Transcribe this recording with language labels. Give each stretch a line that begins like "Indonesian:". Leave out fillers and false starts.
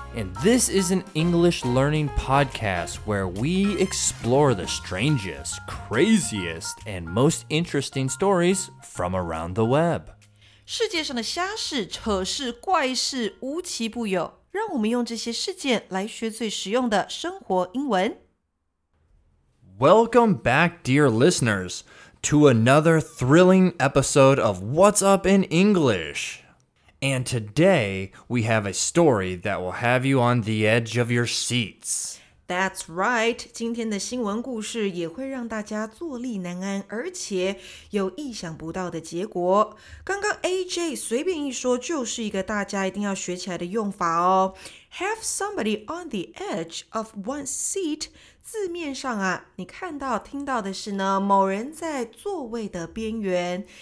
English: And this is an English learning podcast where we explore the strangest, craziest, and most interesting stories from around the web.
Chinese: 世界上的瞎事、扯事、怪事无奇不有，让我们用这些事件来学最实用的生活英文。
English: Welcome back, dear listeners, to another thrilling episode of What's Up in English. And today, we have a story that will have you on the edge of your seats. That's right.
Chinese: 今天的新闻故事也会让大家坐立难安，而且有意想不到的结果。刚刚 AJ 随便一说就是一个大家一定要学起来的用法哦。
English: Have somebody on the edge of one's seat.
Chinese: 字面上啊，你看到听到的是呢，某人在座位的边缘。